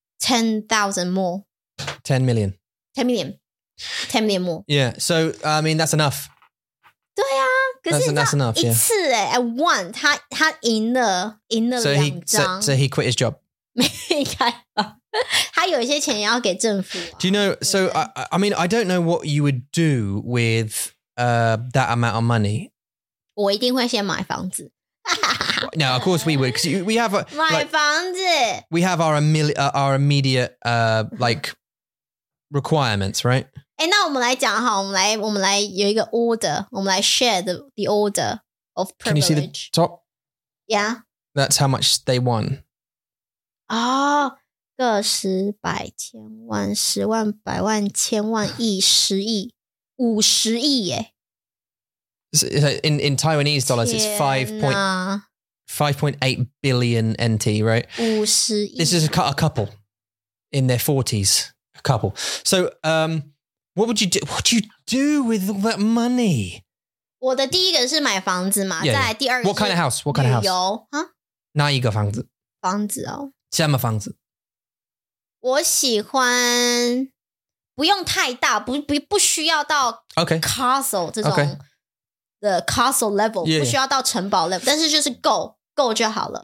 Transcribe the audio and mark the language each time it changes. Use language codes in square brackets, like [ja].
[en] Yeah, 10,000 more. Ten million. 10 million more. Yeah, so, I mean, that's enough. [zh] 对啊, 可是 [en] 那, that's enough, [zh] 一次耶, [en] yeah. At one, [zh] 他赢了 [en] so [zh] 两张。 [en] So he quit his job. [zh] 应该吧。他有一些钱要给政府。 [en] Do you know, so, I mean, I don't know what you would do with that amount of money. [zh] 我一定会先买房子。 [en] No, of course we would, because we have a... [zh] 买房子。 [en] We have our immediate, like... requirements, right? [zh] 诶,那我们来讲好,我们来有一个 order, 我们来 [en] share the order of privilege. Can you see the top? Yeah. That's how much they won. [zh] 哦,个十百千万,十万百万千万亿,十亿,五十亿耶。 [en] In Taiwanese dollars, it's 5.8 billion NT, right? [zh] 五十亿。 [en] This is a couple in their 40s. Couple. So, what would you do? What do you do with all that money? [zh] 我的第一个是买房子嘛，再来第二个是 [en] What kind of house? What kind of house? [zh] 旅游啊？哪一个房子？房子哦。什么房子？我喜欢不用太大，不需要到 castle 这种的 castle level， 不需要到城堡 level， 但是就是够就好了。